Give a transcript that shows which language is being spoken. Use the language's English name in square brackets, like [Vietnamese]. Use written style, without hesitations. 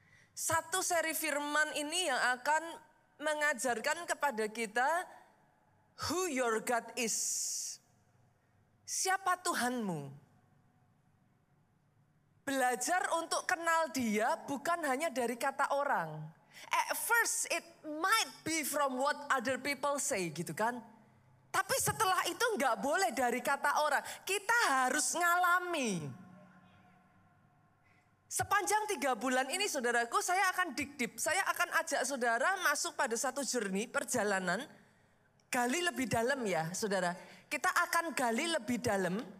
[Indonesian] Satu seri firman ini yang akan mengajarkan kepada kita [English] who your God is. [Indonesian] Siapa Tuhanmu? Belajar untuk kenal dia bukan hanya dari kata orang. [English] At first it might be from what other people say [Indonesian] gitu kan. Tapi setelah itu gak boleh dari kata orang. Kita harus ngalami. Sepanjang 3 bulan ini saudaraku, saya akan [English] dig deep. [Indonesian] Saya akan ajak saudara masuk pada satu journey, perjalanan. Gali lebih dalam ya saudara. Kita akan gali lebih dalam.